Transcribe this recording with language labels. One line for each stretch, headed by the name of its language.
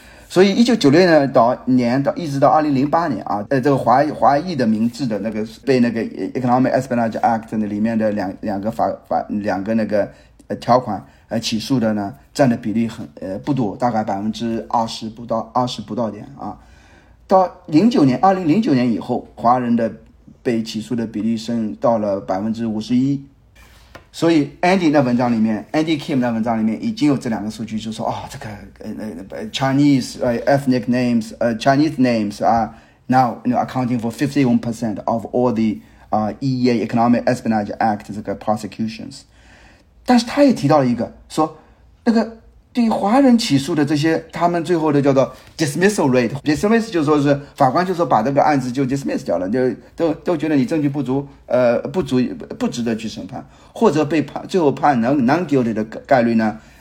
Chinese: 所以1996年一直到2008年啊，这个华裔的名字的那个被那个 Economic Espionage Act 那里面的两个那个条款起诉的呢，占的比例很不多，大概20%不到，20%不到点啊。到2009年以后，华人的被起诉的比例升到了51%。所以 Andy Kim 那文章里面已经有这两个数据，就说这个
English: Chinese ethnic names Chinese names are now accounting for 51% of all the EEA Economic Espionage Act
Chinese: 这个 prosecutions。但是他也提到了一个说，那个对于华人起诉的这些，他们最后的叫做 dismissal rate，dismiss 就是说是法官就说把这个案子就 dismiss 掉了，就都觉得你证据不足，不值得去审判，或者被判最后判能 guilty 的概率呢，